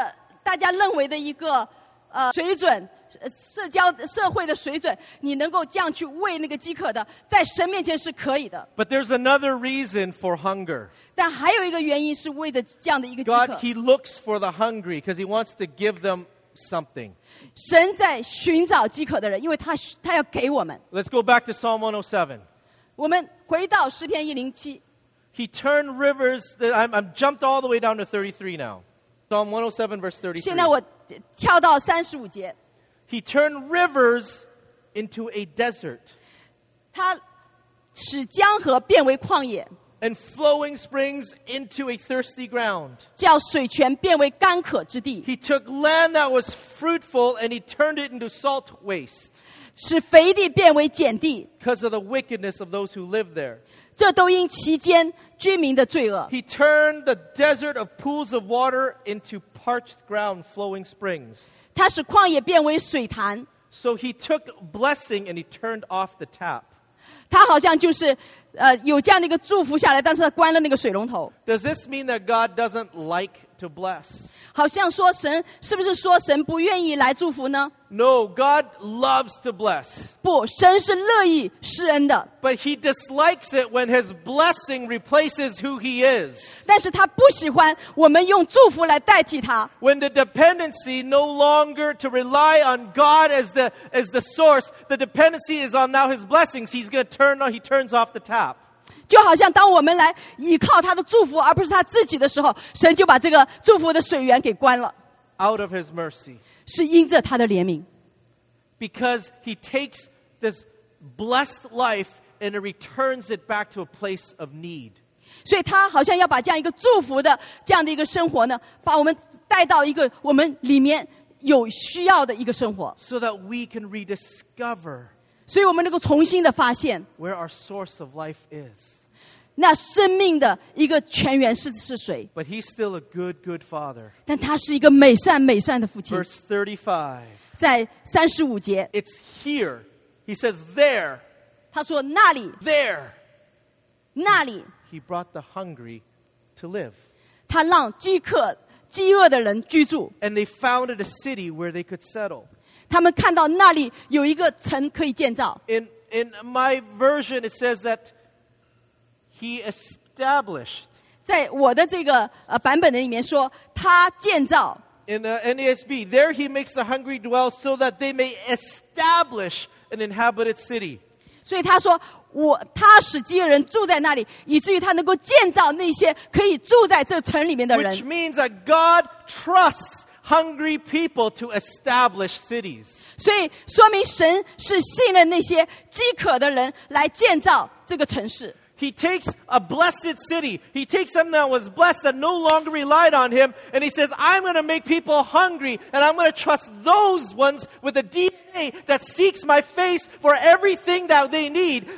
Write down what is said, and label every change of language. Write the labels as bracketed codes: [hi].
[zh] 所以这好像就说，当你饥渴的时候，你甚至冲破这个大家认为的一个水准。社交社会的水准，你能够这样去喂那个饥渴的，在神面前是可以的。 [en] But there's another reason for hunger. [zh] 但还有一个原因是为着这样的一个饥渴。 [en] God, He looks for the hungry because He wants to give them something. [zh] 神在寻找饥渴的人，因为他要给我们。 [en] Let's go back to Psalm 107. [zh] 我们回到诗篇107。 [en] He turned rivers. I'm jumped all the way down to 33 now. Psalm 107 verse 33. [zh] 现在我跳到35节。 [en] He turned rivers into a desert. [zh] 他使江河变为旷野, [en] and flowing springs into a thirsty ground. [zh] 叫水泉变为干渴之地, [en] he took land that was fruitful and he turned it into salt waste. [zh] 使肥地变为碱地, [en] because of the wickedness of those who live there. [zh] 这都因其间居民的罪恶, [en] he turned the desert of pools of water into parched ground flowing springs. [zh] 他使旷野变为水潭, [en] so he took blessing and he turned off the tap. [zh] 他好像就是, 有这样的一个祝福下来, 但是他关了那个水龙头。 [en] Does this mean that God doesn't like to bless? [zh] 好像说神, 是不是说神不愿意来祝福呢? [en] No, God loves to bless. [zh] 不, 神是乐意施恩的。 [en] But he dislikes it when his blessing replaces who he is. [zh] 但是他不喜欢我们用祝福来代替他。 [en] When the dependency no longer to rely on God as the source, the dependency is on now his blessings, he turns off the tap. [zh] 就好像当我们来依靠他的祝福而不是他自己的时候，神就把这个祝福的水源给关了。 [en] Out of his mercy. [zh] 是因着他的怜悯。 [en] Because he takes this blessed life and it returns it back to a place of need. [zh] 所以他好像要把这样一个祝福的这样的一个生活呢，把我们带到一个我们里面有需要的一个生活。 [en] So that we can rediscover. [zh] 所以我们能够重新的发现 [en] where our source of life is. [zh] 那生命的一个泉源是谁？ [en] But he's still a good, good father. [zh] 但他是一个美善美善的父亲。 [en] Verse 35. [zh] 在35节。 [en] It's here. He says there. [zh] 他说那里。 [en] There. [zh] 那里。 [en] He brought the hungry to live. [zh] 他让饥渴饥饿的人居住。 [en] And they founded a city where they could settle. [zh] 他们看到那里有一个城可以建造。 [en] In my version, it says that he established. [zh] 在我的这个版本的里面说, 他建造。 [en] In the NASB, there he makes the hungry dwell so that they may establish an inhabited city. [zh] 所以他说, 他使饥饿人住在那里，以至于他能够建造那些可以住在这城里面的人。 [en] Which means that God trusts hungry people to establish cities. [zh] 所以说明神是信任那些饥渴的人来建造这个城市。 [en] He takes a blessed city. He takes them that was blessed that no longer relied on him. And he says, I'm going to make people hungry. And I'm going to trust those ones with a DNA that seeks my face for everything that they need.